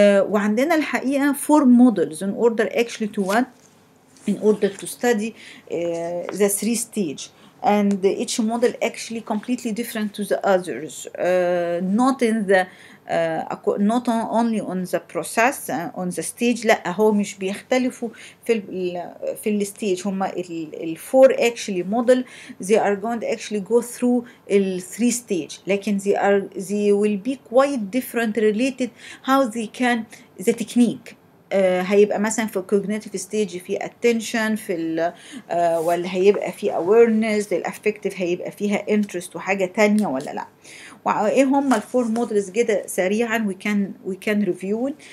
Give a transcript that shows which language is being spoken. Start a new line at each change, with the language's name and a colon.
Arabic: وعندنا الحقيقة
English: four models in order actually to what? In order to study the three stage. And each model actually completely different to the others, not in the not only on the process on the stage.
Arabic: لا هو مش بيختلفوا في ال stage. هما ال
English: four actually model they are going to actually go through the three stage.
Arabic: لكن
English: they will be quite different related how they can the technique.
Arabic: هيبقى مثلا في الكوجنيتيف ستيج في اتنشن في الـ ولا هيبقى في اويرنس، الافكتيف هيبقى فيها انترست وحاجه تانية ولا لا. وايه هم الفور مودلز كده سريعا،
English: We can review.